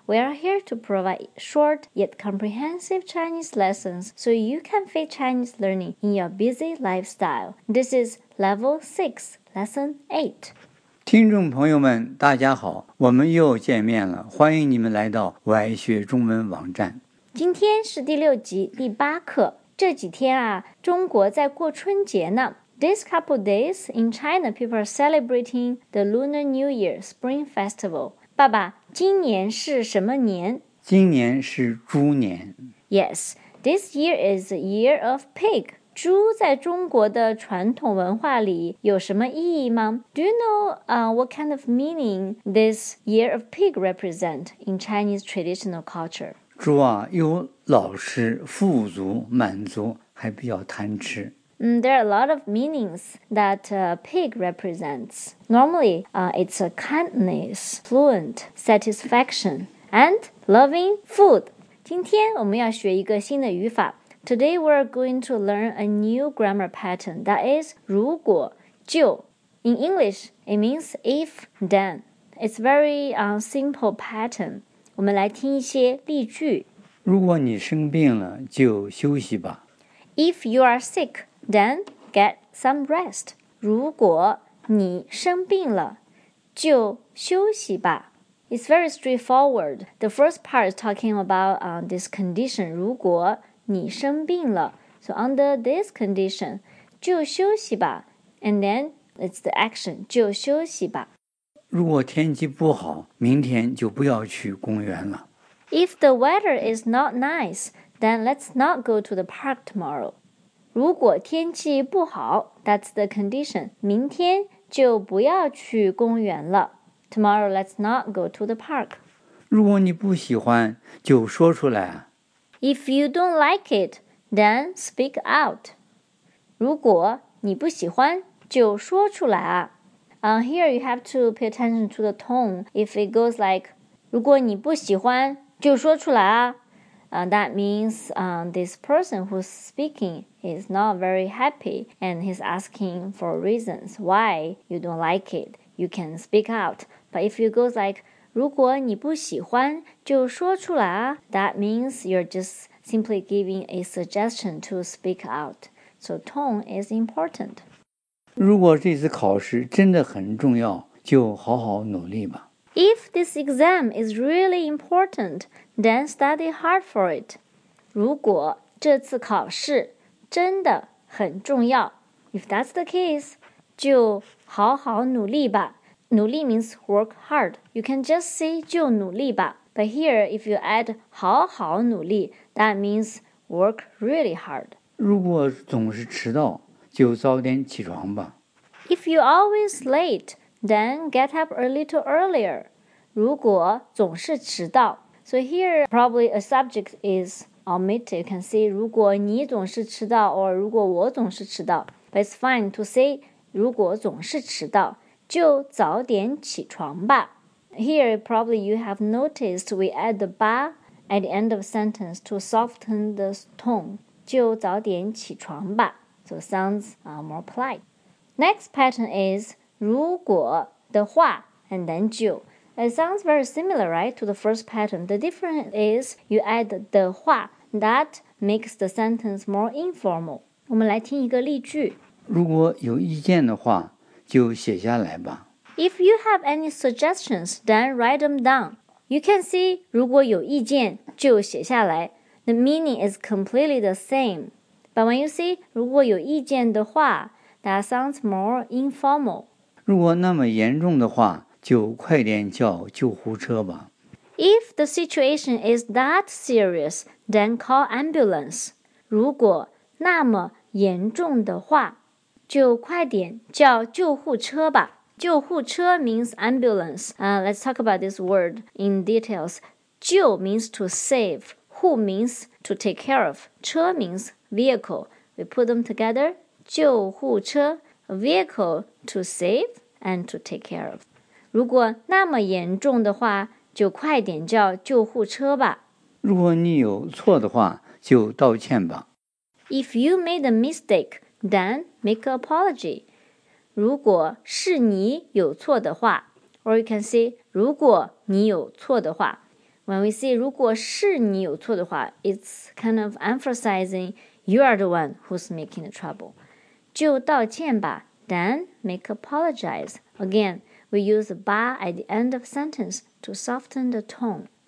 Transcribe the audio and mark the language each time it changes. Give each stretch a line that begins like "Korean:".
English: We are here to provide short yet comprehensive Chinese lessons so you can fit Chinese learning in your busy lifestyle. This is Level 6, Lesson 8.
Chinese: 听众朋友们，大家好，我们又见面了，欢迎你们来到我爱学中文网站。今天是第六集第八课，这几天啊，中国在过春节呢。
English: This couple days in China, people are celebrating the Lunar New Year Spring Festival.
Chinese: 爸爸，今年是什么年？今年是猪年。
English: Yes, this year is the year of pig.
Chinese: 猪在中国的传统文化里有什么意义吗？
English: Do you know, what kind of meaning this year of pig represent in Chinese traditional culture?
Chinese: 猪啊，又老实、富足、满足，还比较贪吃。
English: There are a lot of meanings that pig represents. Normally, it's a kindness, fluent, satisfaction, and loving food.
Chinese: 今天我们要学一个新的语法。
English: Today, we're going to learn a new grammar pattern that is 如果就. In English, it means if, then. It's very simple pattern.
Chinese: 我们来听一些例句。如果你生病了，就休息吧。
English: If you are sick,Then get some rest.
Chinese: 如果你生病了，就休息吧。
English: It's very straightforward. The first part is talking about this condition.
Chinese: 如果你生病了。
English: So under this condition,
Chinese: 就休息吧。
English: And then it's the action,
Chinese: 就休息吧。如果天气不好，明天就不要去公园了。
English: If the weather is not nice, then let's not go to the park tomorrow.
Chinese: 如果天气不好,
English: that's the condition.
Chinese: 明天就不要去公园了。
English: Tomorrow, let's not go to the park.
Chinese: 如果你不喜欢,就说出来。
English: If you don't like it, then speak out.
Chinese: 如果你不喜欢,就说出来。
English: Here you have to pay attention to the tone. If it goes like,
Chinese: 如果你不喜欢,就说出来啊。
English: That means this person who's speaking is not very happy and he's asking for reasons why you don't like it. You can speak out. But if you go like,
Chinese: 如果你不喜欢就说出来啊,
English: that means you're just simply giving a suggestion to speak out. So tone is important.
Chinese: 如果这次考试真的很重要,就好好努力吧。
English: If this exam is really important, then study hard for it.
Chinese: 如果这次考试真的很重要,
English: if that's the case,
Chinese: 就好好努力吧。
English: 努力 means work hard. You can just say
Chinese: 就努力吧。
English: But here, if you add 好好努力, that means work really hard.
Chinese: 如果总是迟到,就早点起床吧。
English: If you're always late,Then get up a little earlier.
Chinese: 如果总是迟到。
English: So here, probably a subject is omitted. You can say,
Chinese: 如果你总是迟到
English: or
Chinese: 如果我总是迟到。
English: But it's fine to say,
Chinese: 如果总是迟到就早点起床吧。
English: Here, probably you have noticed we add the 吧 at the end of sentence to soften the tone.
Chinese: 就早点起床吧。
English: So it sounds more polite. Next pattern is,如果的话 and then 就 It sounds very similar, right, to the first pattern. The difference is you add 的话 That makes the sentence more informal.
Chinese: 我们来听一个例句。如果有意见的话就写下来吧。
English: If you have any suggestions, then write them down. You can see
Chinese: 如果有意见就写下来。
English: The meaning is completely the same. But when you say
Chinese: 如果有意见的话
English: That sounds more informal.
Chinese: 如果那么严重的话,就快点叫救护车吧。
English: If the situation is that serious, then call ambulance.
Chinese: 如果那么严重的话,就快点叫救护车吧。
English: 救护车 means ambulance. Let's talk about this word in details. 救 means to save, 护 means to take care of, 车 means vehicle. We put them together, 救护车。 A vehicle to save and to take care of.
Chinese: 如果那么严重的话,就快点叫救护车吧。如果你有错的话,就道歉吧。
English: If you made a mistake, then make an apology.
Chinese: 如果是你有错的话
English: or you can say
Chinese: 如果你有错的话
English: when we say 如果是你有错的话 it's kind of emphasizing you are the one who's making the trouble
Chinese: 就道歉吧
English: then make apologize again we use ba at the end of sentence to soften the tone